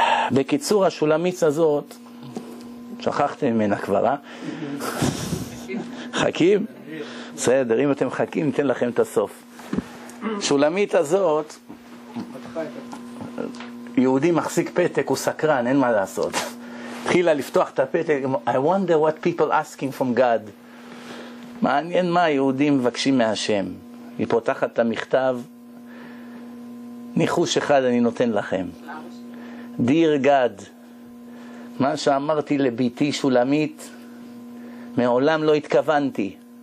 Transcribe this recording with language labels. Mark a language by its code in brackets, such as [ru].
[he] בקיצור, השולמיץ הזאת, שכחתם ממנה כבר, אה? חכים? בסדר, אם אתם חכים, ניתן לכם את הסוף. שולמיץ הזאת, יהודי מחזיק פתק, הוא סקרן, אין מה לעשות. התחילה לפתוח את הפתק, [en] I wonder what people asking from God. [he] מעניין מה יהודים מבקשים מהשם. היא פותחת את המכתב, ניחוש אחד אני נותן לכם. Dear God, מה שאמרתי לביתי שולמית, מעולם לא התכוונתי.